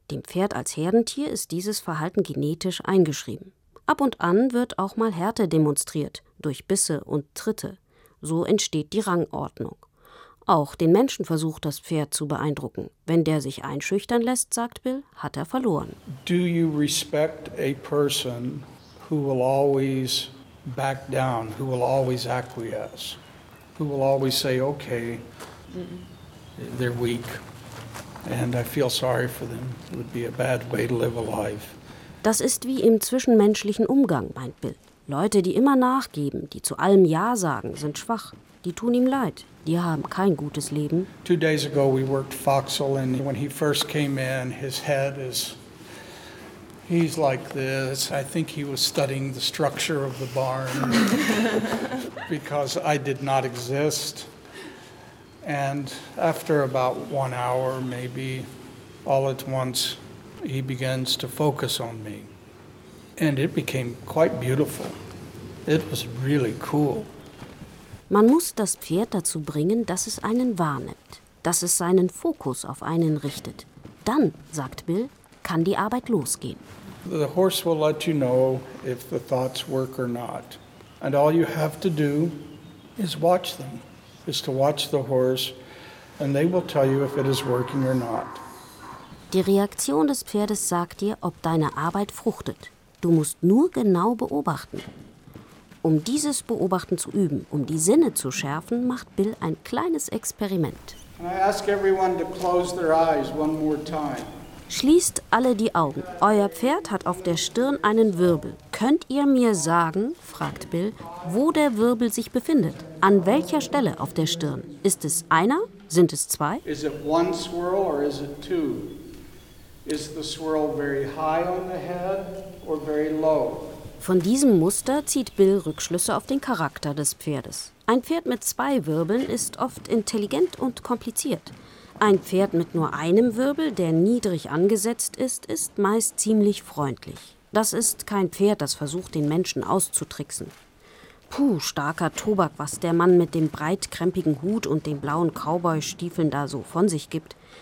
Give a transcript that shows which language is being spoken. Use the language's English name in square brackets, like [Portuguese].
[German] Dem Pferd als Herdentier ist dieses Verhalten genetisch eingeschrieben. Ab und an wird auch mal Härte demonstriert, durch Bisse und Tritte. So entsteht die Rangordnung. Auch den Menschen versucht das Pferd zu beeindrucken. Wenn der sich einschüchtern lässt, sagt Bill, hat er verloren. [English] Do you respect a person who will always back down, who will always acquiesce, who will always say, okay, they're weak. And I feel sorry for them. It would be a bad way to live a life. [German] Das ist wie im zwischenmenschlichen Umgang, meint Bill. Leute, die immer nachgeben, die zu allem Ja sagen, sind schwach. Die tun ihm leid. Die haben kein gutes Leben. [English] 2 days ago we worked Foxel, and when he first came in, his head is, he's like this. I think he was studying the structure of the barn because I did not exist. And after about 1 hour, maybe, all at once, he begins to focus on me. And it became quite beautiful. It was really cool. [German] Man muss das Pferd dazu bringen, dass es einen wahrnimmt, dass es seinen Fokus auf einen richtet. Dann, sagt Bill, kann die Arbeit losgehen. [English] The horse will let you know if the thoughts work or not. And all you have to do is watch them. Is to watch the horse, and they will tell you if it is working or not. [German] Die Reaktion des Pferdes sagt dir, ob deine Arbeit fruchtet. Du musst nur genau beobachten. Um dieses Beobachten zu üben, um die Sinne zu schärfen, macht Bill ein kleines Experiment. [English] And I ask everyone to close their eyes one more time. [German] Schließt alle die Augen. Euer Pferd hat auf der Stirn einen Wirbel. Könnt ihr mir sagen, fragt Bill, wo der Wirbel sich befindet? An welcher Stelle auf der Stirn? Ist es einer? Sind es zwei? [English] Is it one swirl or is it two? Is the swirl very high on the head or very low? [German] Von diesem Muster zieht Bill Rückschlüsse auf den Charakter des Pferdes. Ein Pferd mit zwei Wirbeln ist oft intelligent und kompliziert. Ein Pferd mit nur einem Wirbel, der niedrig angesetzt ist, ist meist ziemlich freundlich. Das ist kein Pferd, das versucht, den Menschen auszutricksen. Puh, starker Tobak, was der Mann mit dem breitkrempigen Hut und den blauen Cowboy-Stiefeln da so von sich gibt.